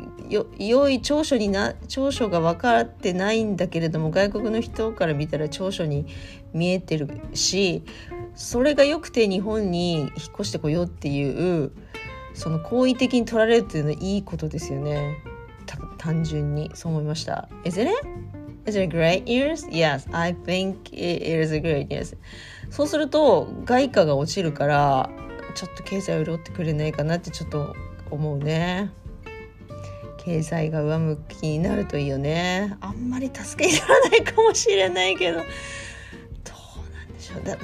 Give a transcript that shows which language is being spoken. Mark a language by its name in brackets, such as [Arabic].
[Japanese] 良い長所にな長所が分かってないんだけれども、外国の人から見たら長所に見えてるし、それが良くて日本に引っ越してこようっていう、その好意的に取られるっていうのはいいことですよね。単純にそう思いました。 [English] Is it a great news? Yes, I think it is a great news. [Japanese] そうすると外貨が落ちるから、ちょっと経済を潤ってくれないかなってちょっと思うね。経済が上向きになるといいよね。あんまり助けにならないかもしれないけど、どうなんでしょう。